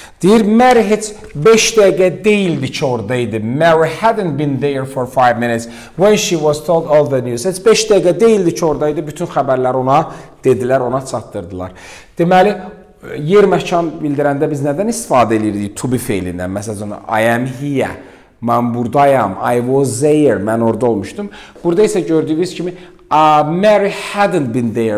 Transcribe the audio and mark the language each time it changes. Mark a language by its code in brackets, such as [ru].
[az] Deyir, Mary heç 5 dəqiqə deyildi ki oradaydı. [en] Mary hadn't been there for 5 minutes when she was told all the news. [az] Heç 5 dəqiqə deyildi ki oradaydı. Bütün xəbərlər ona dedilər, ona çatdırdılar. Deməli, yer məkan bildirəndə biz nədən istifadə edirdik? To be feilindən. Məsələn, [en] I am here. [az] Mən buradayam. [en] I was there. [az] Mən orada olmuşdum. Burada isə gördüyünüz kimi, Mary hadn't been there.